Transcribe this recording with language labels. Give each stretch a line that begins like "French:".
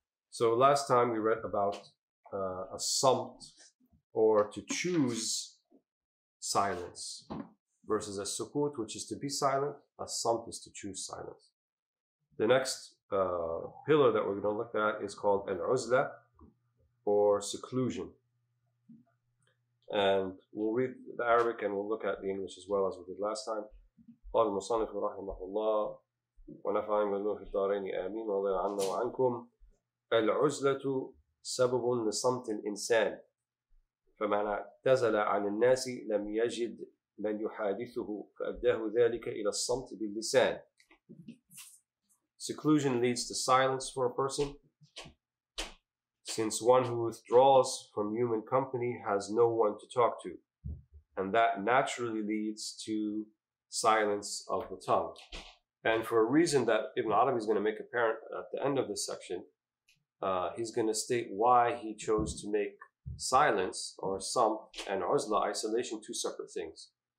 English: So last time we read about a sumt, or to choose silence, versus a sukut, which is to be silent. A sumt is to choose silence. The next pillar that we're going to look at is called al-uzla, or seclusion. And we'll read the Arabic and we'll look at the English as well as we did last time.
Arabic: قال المصنف رحمه الله ونفعنا بالله في الدارين آمين ورضي عنا وعنكم العزلة سبب لصمت الإنسان فمن اعتزل عن الناس لم يجد من يحادثه فأداه ذلك إلى الصمت باللسان.
English: Seclusion leads to silence for a person, since one who withdraws from human company has no one to talk to, and that naturally leads to silence of the tongue. And for a reason that Ibn Arabi is going to make apparent at the end of this section, he's going to state why he chose to make silence, or sump, and uzla, isolation, two separate things.